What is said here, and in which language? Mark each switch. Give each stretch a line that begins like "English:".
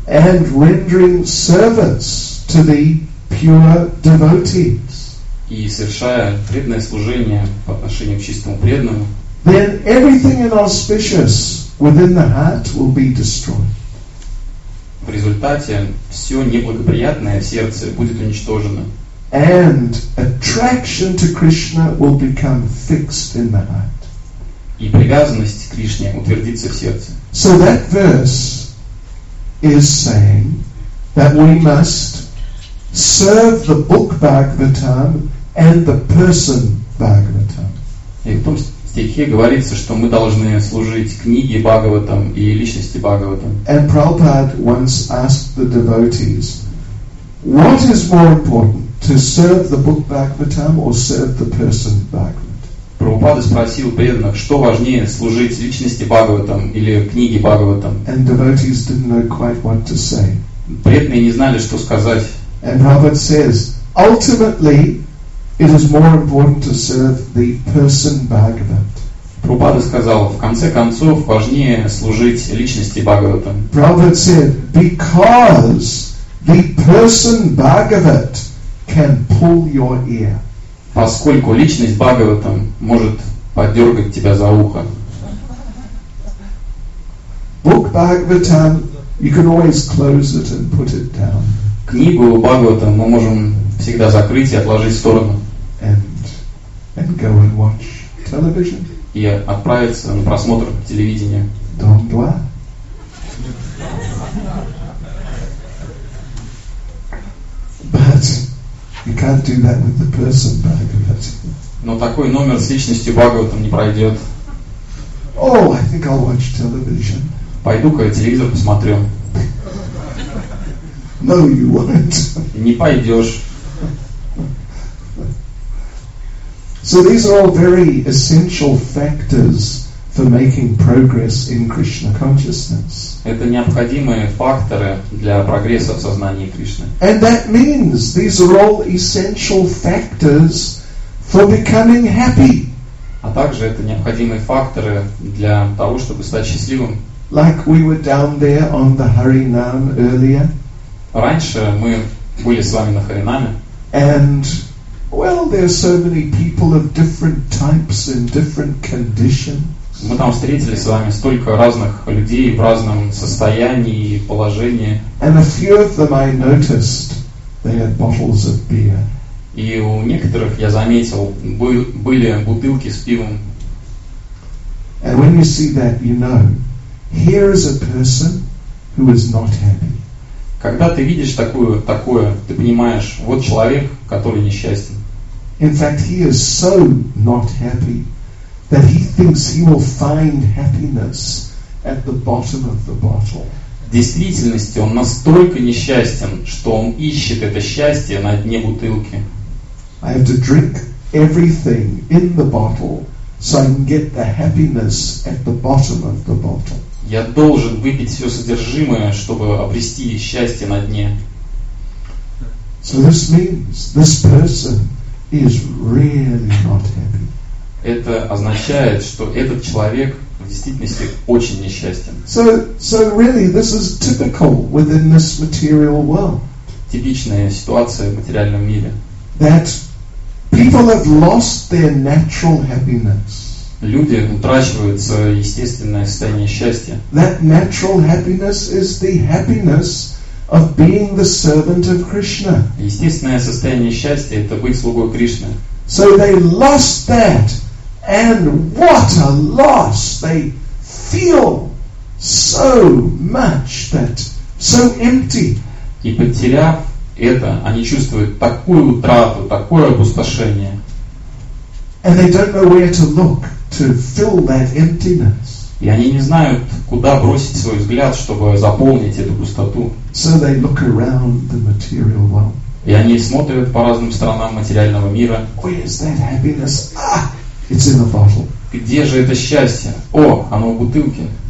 English: and rendering service to the pure devotees,
Russian: и совершая преданное служение по отношению к чистому преданному,
English: then everything inauspicious within the heart will be destroyed.
Russian: В результате все неблагоприятное в сердце будет уничтожено.
English: And attraction to Krishna will become fixed in the heart.
Russian: И привязанность к Кришне утвердится в сердце.
English: So that verse is saying that we must serve the book Bhagavatam and the person Bhagavatam.
Russian: В стихе говорится, что мы должны служить книге Бхагаватам и личности Бхагаватам.
English: And Prabhupada once asked the devotees, what is more important, to serve the book Bhagavatam or serve the person Bhagavatam?
Russian: Прабхупада спросил преданных, что важнее, служить личности Бхагаватам или книге Бхагаватам?
English: And devotees didn't know quite what to say.
Russian: Преданные не знали, что сказать.
English: And Prabhupada says, ultimately, it is more important to serve the person Bhagavat.
Russian: Prabhupada сказал, в конце концов важнее служить личности Бхагаватам.
English: Prabhupada said, because the person Bhagavat can pull your ear.
Russian: Поскольку личность Бхагаватам может подергать тебя за ухо.
English: Book Bhagavatam, you can always close it and put it down.
Russian: Книгу Бхагаватам мы можем всегда закрыть и отложить в сторону.
English: And go and watch television.
Russian: И отправиться на просмотр телевидения.
English: Don't do. But you can't do that with the person Bhagavat.
Russian: Но такой номер с личностью Бхагаватам не пройдет.
English: Oh, I think I'll watch television.
Russian: Пойду-ка я телевизор посмотрю.
English: No, you won't.
Russian: Не пойдешь.
English: So these are all very essential factors for making progress in Krishna consciousness.
Russian: Это необходимые факторы для прогресса в сознании Кришны.
English: And that means these are all essential factors for becoming happy.
Russian: А также это необходимые факторы для того, чтобы стать счастливым.
English: Like we were down there on the Harinam earlier.
Russian: Раньше мы были с вами на Харинаме.
English: And well, there are so many people of different types and different conditions.
Russian: Мы там встретили с вами столько разных людей в разном состоянии и положении.
English: And a few of them I noticed they had bottles of beer.
Russian: И у некоторых я заметил были бутылки с пивом.
English: And when you see that, you know, here is a person who is not happy.
Russian: Когда ты видишь такое, ты понимаешь, вот человек, который несчастен.
English: In fact, he is so not happy that he thinks he will find happiness at the bottom of the bottle.
Russian: В действительности он настолько несчастен, что он ищет это счастье на дне бутылки.
English: I have to drink everything in the bottle so I can get the happiness at the bottom of the bottle.
Russian: Я должен выпить все содержимое, чтобы обрести счастье на дне.
English: So this means this person is really not happy.
Russian: Это означает, что этот человек в действительности очень несчастен.
English: So really this is typical within this material world.
Russian: Типичная ситуация в материальном мире.
English: That people have lost their natural happiness.
Russian: Люди утрачивают свое естественное состояние счастья.
English: That natural happiness is the happiness of being the servant of Krishna.
Russian: Естественное состояние счастья — это быть слугой Кришны.
English: So they lost that, and what a loss! They feel so much that so empty.
Russian: И потеряв это, они чувствуют такую утрату, такое опустошение.
English: And they don't know where to look to fill that emptiness.
Russian: И они не знают, куда бросить свой взгляд, чтобы заполнить эту пустоту.
English: So they look around the material world.
Russian: И они смотрят по разным сторонам материального мира.
English: Where is that happiness? Ah, it's in a bottle.
Russian: Где же это счастье? О, оно в бутылке.